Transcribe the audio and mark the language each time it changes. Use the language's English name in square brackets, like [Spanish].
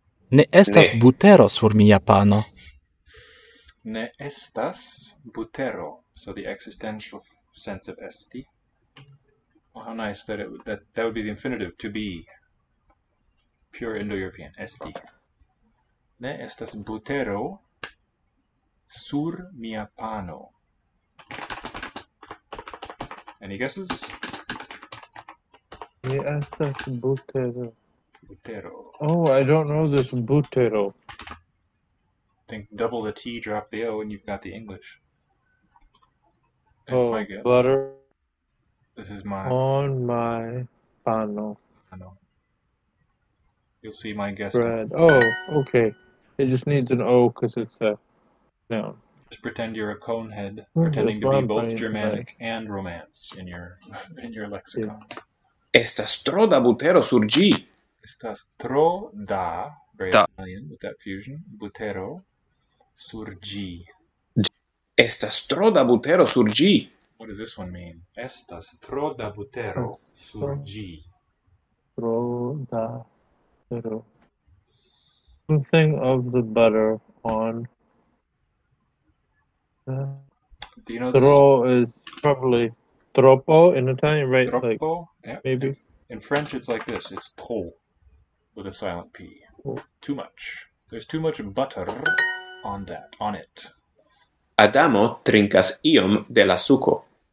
[Esperanto] Ne estas butero sur mia pano. Ne estas butero, [English] so the existential sense of esti. Well, how nice that that would be the infinitive, to be. Pure Indo-European, esti. [Esperanto] Ne estas butero sur mia pano. [English] Any guesses? [Esperanto] Ne estas butero. Butero. [English] Oh, I don't know this butero. Think double the T, drop the O, and you've got the English. That's my guess. Butter. This is my. On my pano. I know. You'll see my guess. Bread. Oh, okay. It just needs an O because it's a noun. Just pretend you're a conehead, pretending to be both Germanic and Romance in your lexicon. Yeah. [Esperanto] Estas tro da butero sur G. Estas tro da. [English] Very Italian with that fusion. [Esperanto] Butero sur G. Estas tro da butero sur G. [English] What does this one mean? [Esperanto] Estas tro da butero sur G. Tro da butero. [English] Something of the butter on. Do you know tro is probably troppo in Italian, right? [Italian] Troppo? [English] Like, yeah. Maybe. In French, it's like this. It's to with a silent P. Too much. There's too much butter on that, on it. [Esperanto] Adamo trincas iom de la suco.